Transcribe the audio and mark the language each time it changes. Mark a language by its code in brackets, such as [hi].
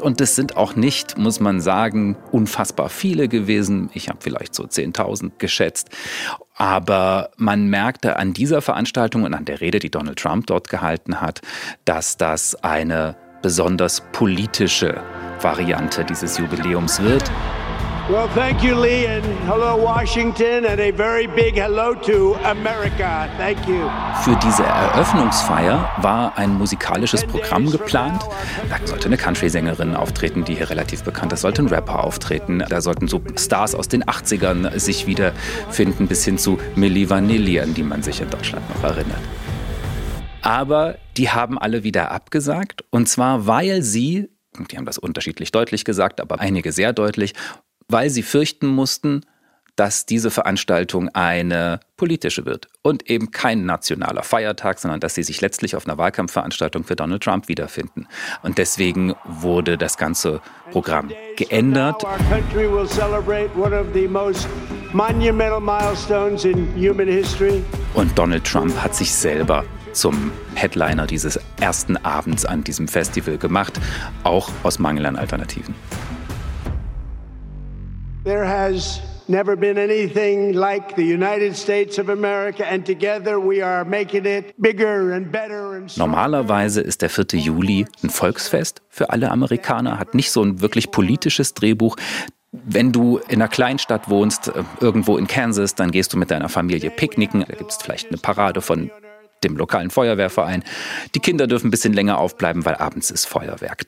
[de] Und es sind auch nicht, muss man sagen, unfassbar viele gewesen. Ich habe vielleicht so 10.000 geschätzt. Aber man merkte an dieser Veranstaltung und an der Rede, die Donald Trump dort gehalten hat, dass das eine besonders politische Variante dieses Jubiläums wird. [en] Well, thank you, Lee, and hello, Washington, and a very big hello to America. Thank you. [de] Für diese Eröffnungsfeier war ein musikalisches Programm geplant. Da sollte eine Country-Sängerin auftreten, die hier relativ bekannt ist. Da sollte ein Rapper auftreten. Da sollten so Stars aus den 80ern sich wiederfinden, bis hin zu Milli Vanilli, an die man sich in Deutschland noch erinnert. Aber die haben alle wieder abgesagt. Und zwar, weil sie, die haben das unterschiedlich deutlich gesagt, aber einige sehr deutlich, weil sie fürchten mussten, dass diese Veranstaltung eine politische wird und eben kein nationaler Feiertag, sondern dass sie sich letztlich auf einer Wahlkampfveranstaltung für Donald Trump wiederfinden. Und deswegen wurde das ganze Programm geändert. [en] Our country will celebrate one of the most monumental milestones in human history. [de] Und Donald Trump hat sich selber zum Headliner dieses ersten Abends an diesem Festival gemacht, auch aus Mangel an Alternativen. [en] There has never been anything like the United States of America, and together we are making it bigger and better and stronger. [de] Normalerweise ist der 4. Juli ein Volksfest für alle Amerikaner, hat nicht so ein wirklich politisches Drehbuch. Wenn du in einer Kleinstadt wohnst, irgendwo in Kansas, dann gehst du mit deiner Familie picknicken, da gibt es vielleicht eine Parade von dem lokalen Feuerwehrverein. Die Kinder dürfen ein bisschen länger aufbleiben, weil abends ist Feuerwerk.